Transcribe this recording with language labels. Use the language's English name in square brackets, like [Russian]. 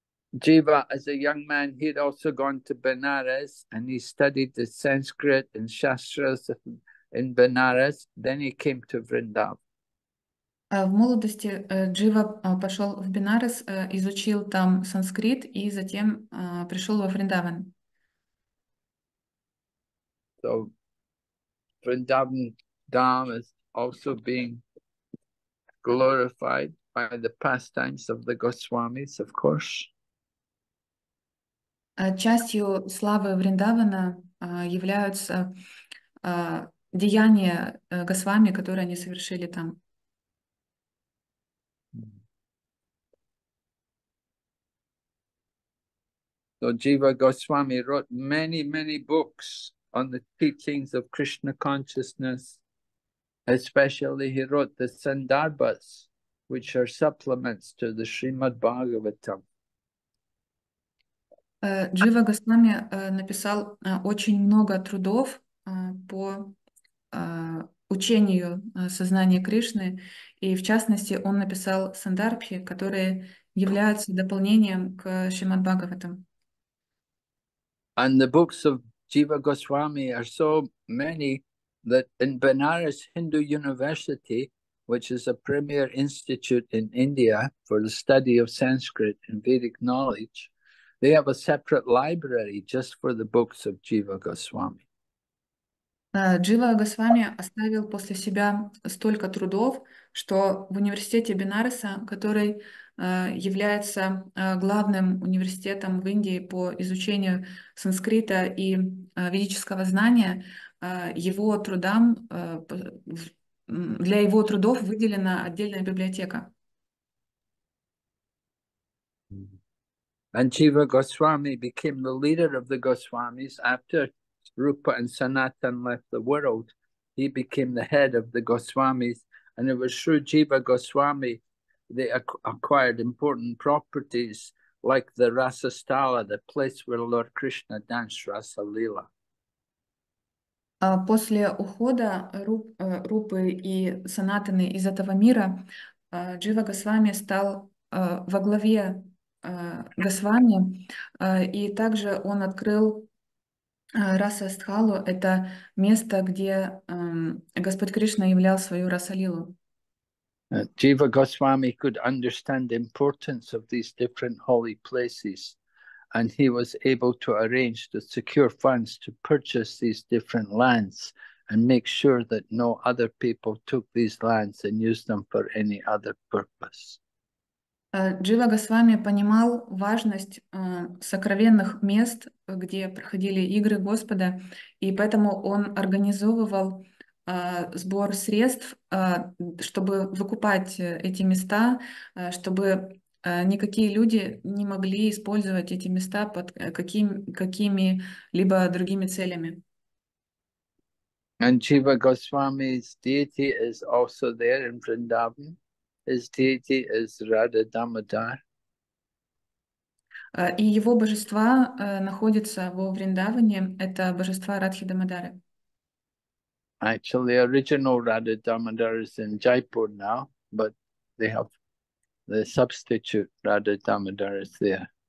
[English] Jiva, as a young man, he'd also gone to Benares and he studied the Sanskrit and Shastras in Benares. Then he came to Vrindavan. [Russian] В молодости Джива пошел в Бенарес, изучил там санскрит и затем пришел во Вриндаван. [English] So, Vrindavan Dham is also being glorified by the pastimes of the Goswamis, of course. [Russian] Частью славы Вриндавана являются деяния Госвами, которые они совершили там. [English] So Jiva Goswami wrote many, many books on the teachings of Krishna consciousness. Especially he wrote the Sandarbhas, which are supplements to the Srimad Bhagavatam. [Russian] Джива Госвами написал очень много трудов по учению сознания Кришны, и в частности он написал Сандарбхи, которые являются дополнением к Шримад Бхагаватам. [English] And the books of Jiva Goswami are so many that in Benares Hindu University, which is a premier institute in India for the study of Sanskrit and Vedic knowledge, they have a separate library just for the books of Jiva Goswami. [Russian] Джива Госвами оставил после себя столько трудов, что в университете Бенареса, который является главным университетом в Индии по изучению санскрита и ведического знания, его трудам, для его трудов выделена отдельная библиотека. [English] And Jiva Goswami became the leader of the Goswamis after Rupa and Sanatan left the world. He became the head of the Goswamis, and it was through Jiva Goswami they acquired important properties like the Rasastala, the place where Lord Krishna danced Rasa Lila. [Russian] После ухода Рупы и Санатаны из этого мира Джива Госвами стал во главе Госвами, и также он открыл Расастхалу, это место, где Господь Кришна являл свою Расалилу. [English] Jiva Goswami could understand the importance of these different holy places, and he was able to arrange to secure funds to purchase these different lands and make sure that no other people took these lands and used them for any other purpose. [Russian] Джива Госвами понимал важность сокровенных мест, где проходили игры Господа, и поэтому он организовывал сбор средств, чтобы выкупать эти места, чтобы никакие люди не могли использовать эти места под какими-либо другими целями. [English] And Jiva Goswami's deity is also there in Vrindavan. His deity is Radha Damodar. [Russian] И его божества находятся во Вриндаване. Это божества Радхи Дамодары. [English] Actually, original Radha Damodar is in Jaipur now, but they have the substitute Radha Damodar is there.